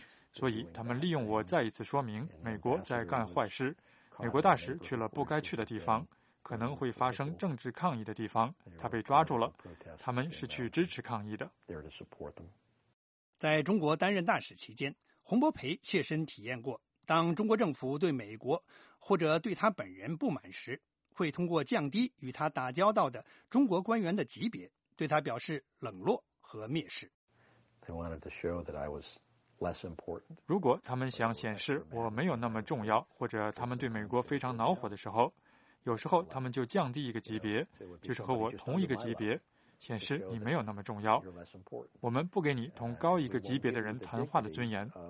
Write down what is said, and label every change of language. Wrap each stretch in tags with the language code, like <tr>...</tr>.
<zh>所以他们利用我再一次说明美国在干坏事，美国大使去了不该去的地方，可能会发生政治抗议的地方，他被抓住了，他们是去支持抗议的。在中国担任大使期间，洪博培切身体验过，当中国政府对美国或者对他本人不满时，会通过降低与他打交道的中国官员的级别对他表示冷落和蔑视。</zh> <en>They wanted to show that I was less important.</en> <zh>如果他们想显示我没有那么重要，或者他们对美国非常恼火的时候，有时候他们就降低一个级别，就是和我同一个级别，显示你没有那么重要。我们不给你同高一个级别的人谈话的尊严。</zh>